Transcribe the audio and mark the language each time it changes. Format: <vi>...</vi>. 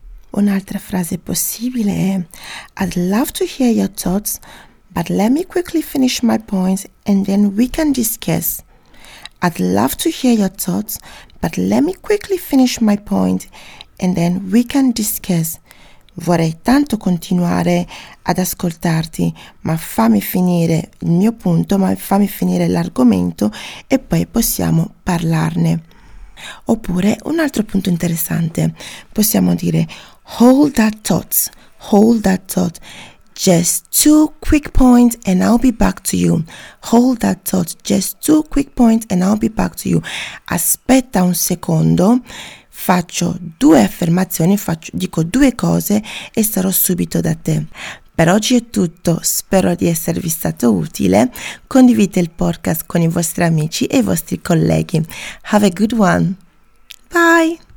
<it>Un'altra frase possibile è:</it> <en>I'd love to hear your thoughts, but let me quickly finish my points and then we can discuss. I'd love to hear your thoughts, but let me quickly finish my point and then we can discuss.</en> <it>Vorrei tanto continuare ad ascoltarti, ma fammi finire il mio punto, ma fammi finire l'argomento e poi possiamo parlarne. Oppure un altro punto interessante, possiamo dire:</it> <en>hold that thought, just two quick points and I'll be back to you. Hold that thought, just two quick points and I'll be back to you.</en> <it>Aspetta un secondo, faccio due affermazioni, dico due cose e sarò subito da te. Per oggi è tutto, spero di esservi stato utile. Condividete il podcast con i vostri amici e i vostri colleghi.</it> <en>Have a good one. Bye.</en>